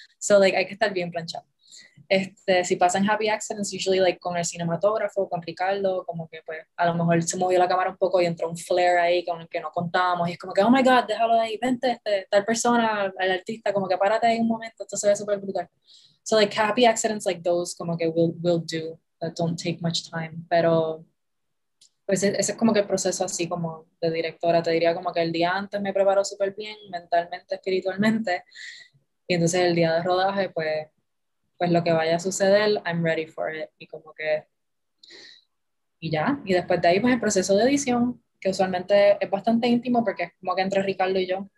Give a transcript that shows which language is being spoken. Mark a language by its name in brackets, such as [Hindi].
[English] So like, [Spanish] hay que estar bien planchado. Si pasan [English] happy accidents, usually like [Spanish] con el cinematógrafo, con Ricardo, como que pues a lo mejor se movió la cámara un poco y entró un flare ahí con el que no contábamos. Y es como que, [English] oh my God, [Spanish] déjalo ahí, vente, tal persona, el artista, como que párate ahí un momento, esto se ve súper brutal. [English] So like happy accidents like those, [Spanish] como que [English] will do, that don't take much time. [Spanish] Pero pues ese es como que el proceso así como de directora. Te diría como que el día antes me preparo súper bien, mentalmente, espiritualmente. Y entonces el día de rodaje, pues lo que vaya a suceder, [English] I'm ready for it. [Spanish] Y como que, y ya. Y después de ahí, pues el proceso de edición, que usualmente es bastante íntimo, porque es como que entre Ricardo y yo.